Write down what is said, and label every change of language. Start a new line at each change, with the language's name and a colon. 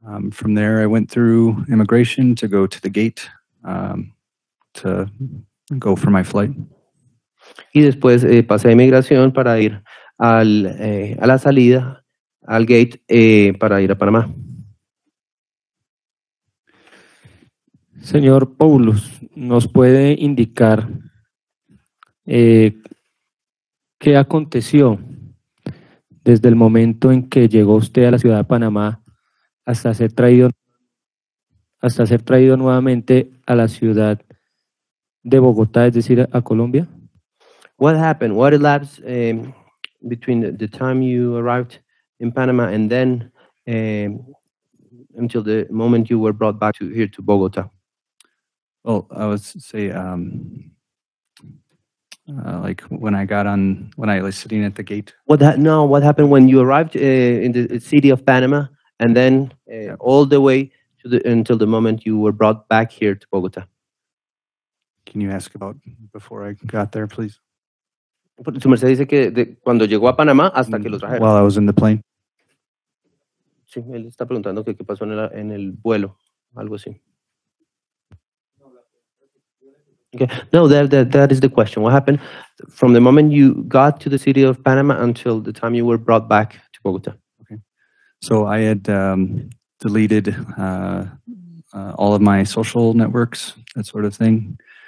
English: From there, I went through immigration to go to the gate to go for my flight.
Spanish: Y después pasé a inmigración para ir a la salida, al gate, para ir a Panamá. Señor Paulus, ¿nos puede indicar qué aconteció desde el momento en que llegó usted a la ciudad de Panamá hasta ser traído nuevamente a la ciudad de Bogotá, es decir, a Colombia?
English: What happened? What elapsed between the time you arrived in Panama and then until the moment you were brought back to here to Bogota? Well, I would say, when I got on, when I was sitting at the gate. What happened when you arrived in the city of Panama and then all the way to the, until the moment you were brought back here to Bogota? Can you ask about before I got there, please?
Spanish: Su merced dice que cuando llegó a Panamá hasta que lo trajeron.
English: While I was in the plane.
Spanish: Sí, él está preguntando qué pasó en el vuelo, algo así.
English: Okay. No, that is the question. What happened from the moment you got to the city of Panama until the time you were brought back to Bogota? Okay. So I had deleted all of my social networks, that sort of thing.